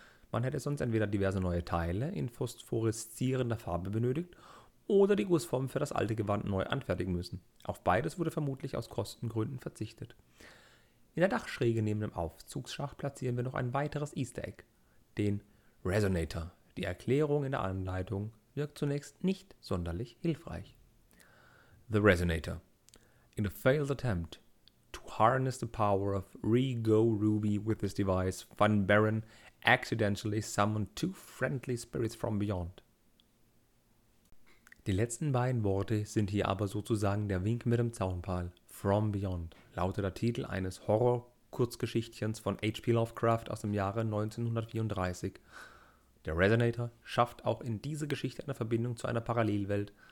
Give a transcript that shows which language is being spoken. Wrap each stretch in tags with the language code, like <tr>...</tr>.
<de>Man hätte sonst entweder diverse neue Teile in phosphoreszierender Farbe benötigt oder die Gussform für das alte Gewand neu anfertigen müssen. Auf beides wurde vermutlich aus Kostengründen verzichtet. In der Dachschräge neben dem Aufzugsschacht platzieren wir noch ein weiteres Easter Egg, den Resonator. Die Erklärung in der Anleitung wirkt zunächst nicht sonderlich hilfreich.</de> <en>The Resonator. In a failed attempt to harness the power of Rego Ruby with this device, Van Baron accidentally summoned two friendly spirits from beyond.</en> <de>Die letzten beiden Worte sind hier aber sozusagen der Wink mit dem Zaunpfahl. From Beyond lautet der Titel eines Horror-Kurzgeschichtchens von H.P. Lovecraft aus dem Jahre 1934. Der Resonator schafft auch in dieser Geschichte eine Verbindung zu einer Parallelwelt.</de>